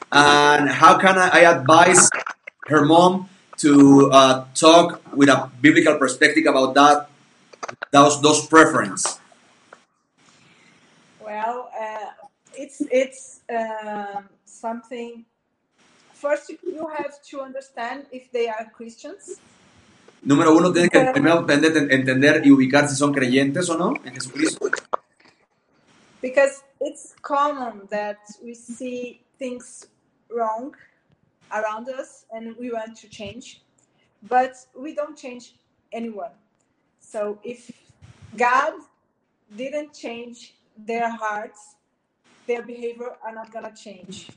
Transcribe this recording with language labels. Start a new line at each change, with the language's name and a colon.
English: And how can I advise her mom to talk with a biblical perspective about that, those preference? Well, it's something... First, you have to understand if they are Christians.
Spanish: Número uno, tienes que primero entender y ubicar si son creyentes o no en Jesucristo.
English: Because it's common that we see things wrong around us and we want to change, but we don't change anyone. So if God didn't change their hearts, their behavior are not gonna change.